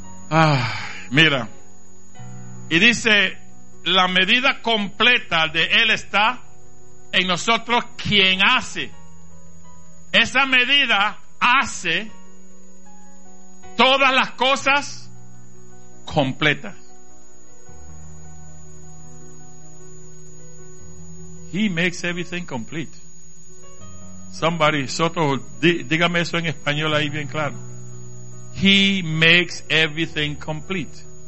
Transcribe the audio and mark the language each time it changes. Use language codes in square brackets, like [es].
[es] Ah, mira. Y dice, la medida completa de Él está en nosotros, quien hace. Esa medida hace todas las cosas completas. [en] He makes everything complete. [es] Somebody, Soto, dígame eso en español ahí bien claro. [en] He makes everything complete.